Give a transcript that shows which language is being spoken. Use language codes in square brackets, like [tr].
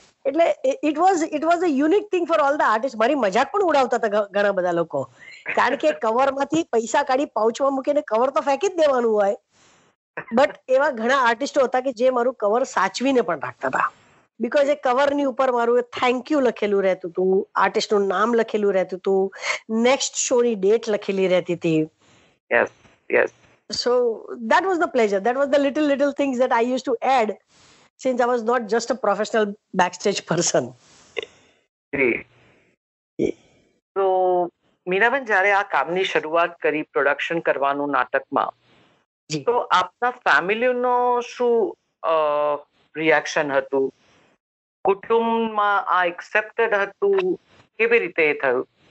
[gu] એટલે [en] It was a unique thing for all the artist. [gu] મારી મજાક પણ ઉડાવતા હતા ઘણા બધા લોકો, કારણ કે કવર માંથી પૈસા કાઢી પાઉચમાં મૂકીને કવર તો ફેંકી જ દેવાનું હોય, બટ એવા ઘણા આર્ટિસ્ટો હતા કે જે મારું કવર સાચવીને પણ રાખતા હતા, બીકોઝ એ કવરની ઉપર મારું થેન્ક યુ લખેલું રહેતું હતું, આર્ટિસ્ટનું નામ લખેલું રહેતું હતું, નેક્સ્ટ શો ની ડેટ લખેલી રહેતી હતી. Yes yes. [en] So that was the pleasure. That was the little things that I used to add since I was not just a professional backstage person. [gu] So, Minaben, જ્યારે આ કામની શરૂઆત કરી પ્રોડક્શન કરવાનું નાટકમાં, તો આપના ફેમિલીનો શું રિએક્શન હતું? કુટુંબમાં આ એક્સેપ્ટેડ હતું? કેવી રીતે એ થયું?